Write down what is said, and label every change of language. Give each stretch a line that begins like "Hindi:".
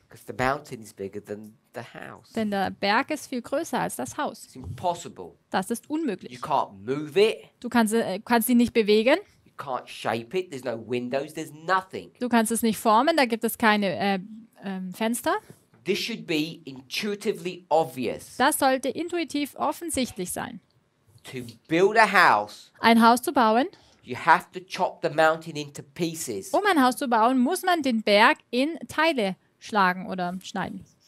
English: Because the mountain is bigger than the house.
German: Denn der Berg ist viel größer als das Haus.
English: It's impossible.
German: Das ist unmöglich.
English: You can't move it.
German: Du kannst ihn nicht bewegen.
English: You can't shape it. There's no windows. There's nothing.
German: Du kannst es nicht formen. Da gibt es keine Fenster.
English: This should be intuitively obvious.
German: Das sollte intuitiv offensichtlich sein.
English: To build a house.
German: Ein Haus zu bauen.
English: You have to chop the mountain into pieces.
German: Um ein Haus zu bauen, muss man den Berg in Teile schlagen oder schneiden.